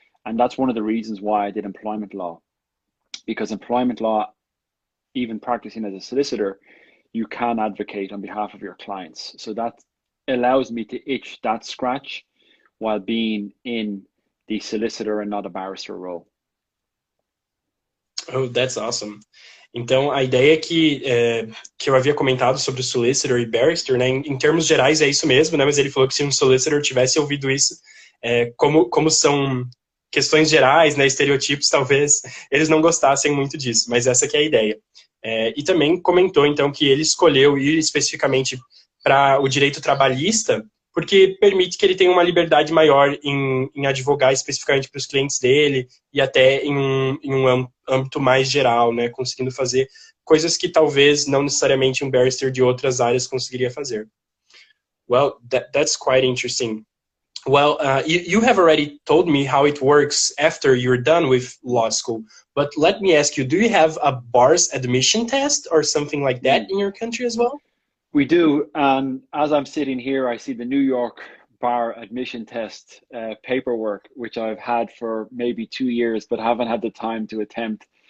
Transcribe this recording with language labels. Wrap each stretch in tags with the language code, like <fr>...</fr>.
<en>And that's one of the reasons why I did employment law, because employment law, even practicing as a solicitor, you can advocate on behalf of your clients. So that allows me to itch that scratch while being in the solicitor and not a barrister role. Oh, that's awesome.</en> <pt>Então, a ideia que eu havia comentado sobre solicitor e barrister, né, em termos gerais é isso mesmo, né, mas ele falou que se solicitor tivesse ouvido isso, como são questões gerais, né, estereotipos, talvez eles não gostassem muito disso, mas essa que é a ideia. E também comentou, então, que ele escolheu ir especificamente para o direito trabalhista, porque permite que ele tenha uma liberdade maior em advogar especificamente para os clientes dele e até em um âmbito mais geral, né, conseguindo fazer coisas que talvez não necessariamente um barrister de outras áreas conseguiria fazer.</pt> <en>Well, that's quite interesting. Well, you have already told me how it works after you're done with law school, but let me ask you, do you have a bar's admission test or something like that in your country as well? We do. And as I'm sitting here, I see the New York bar admission test paperwork, which I've had for maybe 2 years, but haven't had the time to attempt.</en>